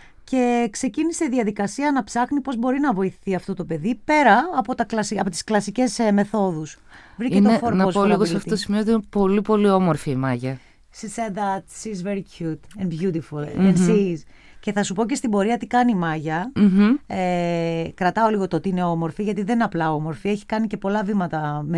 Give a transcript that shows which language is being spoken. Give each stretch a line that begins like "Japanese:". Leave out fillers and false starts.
Greek: Και ξεκίνησε διαδικασία να ψάχνει πώς μπορεί να βοηθεί αυτό το παιδί πέρα από, από τις κλασικές μεθόδους. Βρήκε είναι, το φόρμα. Να πω λίγο σε αυτό το σημείο ότι είναι πολύ, πολύ όμορφη η Μάγια.
English: She said that she's very cute and beautiful. Mm-hmm. And she is.
Greek: Και θα σου πω και στην πορεία τι κάνει η Μάγια. Mm-hmm. Κρατάω λίγο το ότι είναι όμορφη, γιατί δεν είναι απλά όμορφη. Έχει κάνει και πολλά βήματα με